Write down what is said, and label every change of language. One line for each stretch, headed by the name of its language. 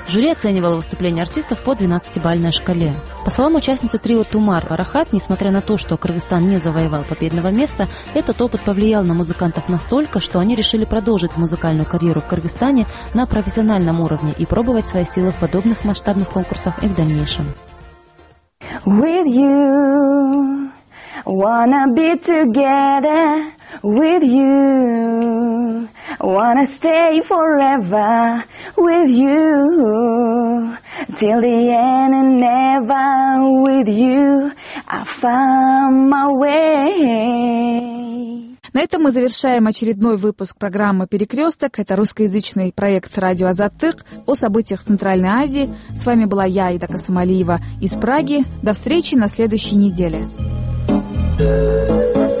Russian: Жюри оценивало выступление артистов по 12-бальной шкале. По словам участницы трио «Тумар» Рахат, несмотря на то, что Кыргызстан не завоевал победного места, этот опыт повлиял на музыкантов настолько, что они решили продолжить музыкальную карьеру в Кыргызстане на профессиональном уровне и пробовать свои силы в подобных масштабных конкурсах и в дальнейшем.
English: With you, wanna be together. with you. Wanna stay forever with you. Till the end and never with you. I found my way.
Russian: На этом мы завершаем очередной выпуск программы «Перекресток». Это русскоязычный проект «Радио Азаттык» о событиях в Центральной Азии. С вами была я, Ида Касамалиева, из Праги. До встречи на следующей неделе.